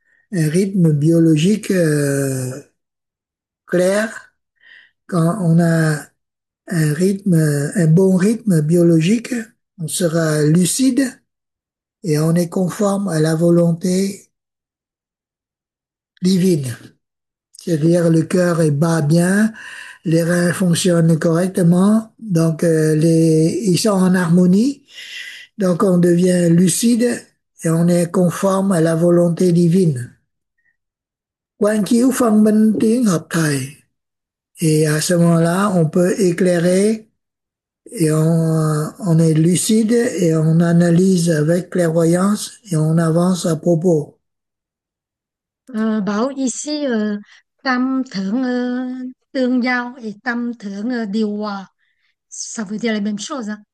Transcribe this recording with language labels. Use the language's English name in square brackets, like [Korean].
[French] Un rythme biologique clair, quand on a un rythme, un bon rythme biologique, on sera lucide et on est conforme à la volonté divine. C'est-à-dire le cœur est bat bien, les reins fonctionnent correctement, donc ils sont en harmonie, donc on devient lucide et on est conforme à la volonté divine. [Vietnamese] Quán chiếu phân minh tiếng hợp thời. [French] Et à ce moment-là, on peut éclairer et on est lucide et on analyse avec clairvoyance et on avance à propos. [Vietnamese] Bảo ici tâm thượng tương giao et tâm thượng điều hòa, [French] ça veut dire la même chose,